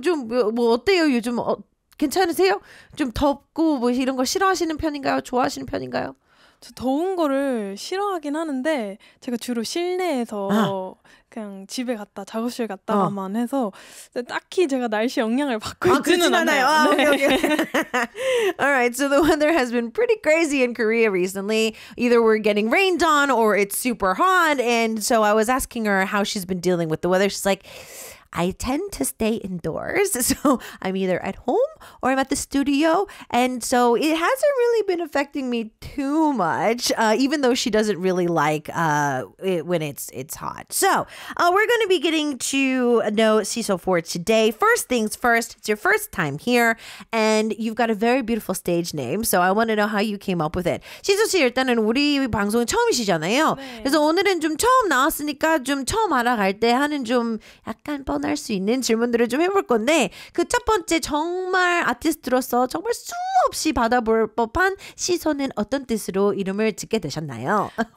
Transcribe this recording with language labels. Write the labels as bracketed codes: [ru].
[ko] 좀 뭐 어때요? 요즘 괜찮으세요? 좀 덥고 뭐 이런 거 싫어하시는 편인가요? 좋아하시는 편인가요? 저 더운 거를 싫어하긴 하는데 제가 주로 실내에서 그냥 집에 갔다 작업실 갔다만 해서 딱히 제가 날씨 영향을 받고 있지는 않아요. 아, 네. [en] Okay, okay. Alright, so the weather has been pretty crazy in Korea recently. Either we're getting rained on or it's super hot. And so I was asking her how she's been dealing with the weather. She's like, I tend to stay indoors, so I'm either at home or I'm at the studio, and so it hasn't really been affecting me too much, even though she doesn't really like when it's hot. So we're going to be getting to know Siso for today. First things first, it's your first time here, and you've got a very beautiful stage name, so I want to know how you came up with it. [ko] Siso 씨, 일단은 우리 방송이 처음이시잖아요. 네. 그래서 오늘은 좀 처음 나왔으니까 좀 처음 알아갈 때 하는 좀 약간 뻔 할 수 있는 질문들을 좀 해볼 건데 그 첫 번째 정말 아티스트로서 정말 수없이 받아볼 법한 시소는 어떤 뜻으로 이름을 짓게 되셨나요?